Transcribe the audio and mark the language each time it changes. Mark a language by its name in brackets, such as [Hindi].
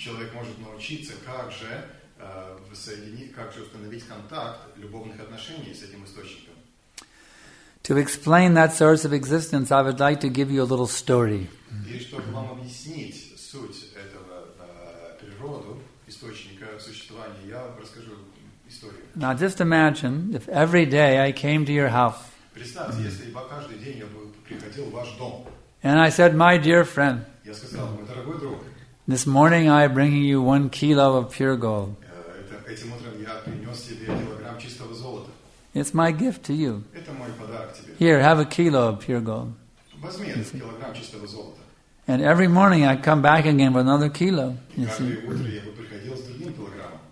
[Russian] Человек может научиться как же воссоединить, как же установить контакт любовных отношений с этим источником. [English] To explain that source of existence, I would like to give you a little story. [Russian] И чтобы вам объяснить суть этого природу источника существования, я расскажу историю. [English] Now just imagine if every day I came to your house. [Russian] Представьте, если бы каждый день я бы приходил в ваш дом. [English] And I said, my dear friend, [Russian] я сказал, мой дорогой друг, [English] this morning I am bringing you 1 kilo of pure gold. [Russian] Этим утром я принес тебе килограмм чистого золота. [English] It's my gift to you. [Russian] Это мой подарок тебе. [English] Here, have 1 kilo of pure gold. [Russian] Возьми этот килограмм чистого золота. [English] And every morning I come back again with another kilo. [Russian] И каждое утро я бы приходил с другим килограммом.